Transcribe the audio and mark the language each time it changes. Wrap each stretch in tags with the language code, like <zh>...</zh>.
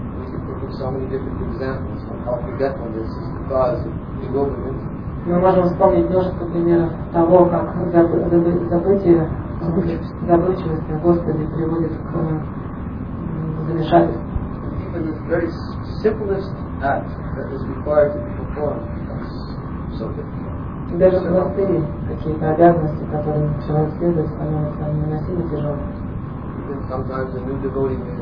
<en>We can think of so many different examples of how forgetfulness is the cause of bewilderment.</en> <ru>Мы можем вспомнить множество примеров того, как забывчивость о Господе приводит к замешательству.</ru> <en>Even the very simplest act that is required to be performed becomes so difficult.</en> <ru>Даже простые какие-то обязанности, которым человек следует, становятся невыносимо тяжелыми.</ru>